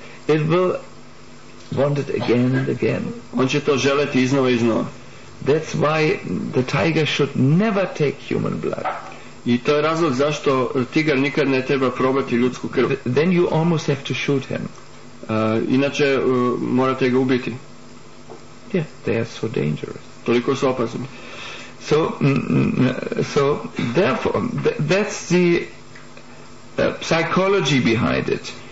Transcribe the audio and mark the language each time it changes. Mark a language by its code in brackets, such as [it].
[en] It will want it again and again. [sr] On će to želeti iznova i iznova. [en] That's why the tiger should never take human blood. [sr] I to je razlog zašto tigar nikad ne treba probati ljudsku krv. [en] Then you almost have to shoot him. [sr] Inače morate ga ubiti. [en] Yes, they are so dangerous. [sr] Toliko su opasni. [en] So therefore that's the psychology behind it.